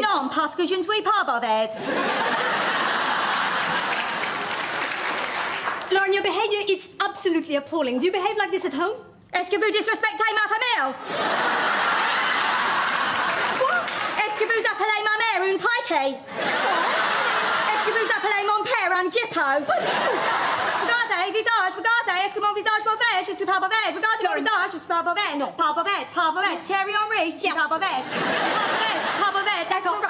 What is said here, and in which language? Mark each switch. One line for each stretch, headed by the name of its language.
French: Non, parce que je ne suis pas beau verre.
English: Lauren, your behaviour, it's absolutely appalling. Do you behave like this at home?
French: Est-ce que vous disrespectez ma famille?
English: What?
French: Est-ce que vous appelez ma mère une pike? Est-ce que vous appelez mon père un gippo? Regardez, visage, regardez. Est-ce que mon visage beau verre? Je suis pas beau verre. Regardez mon visage, je suis pas beau verre. Non. Pas beau verre, pas beau verre. Thierry Henry, je suis pas beau verre. Pas beau verre, pas beau verre. D'accord.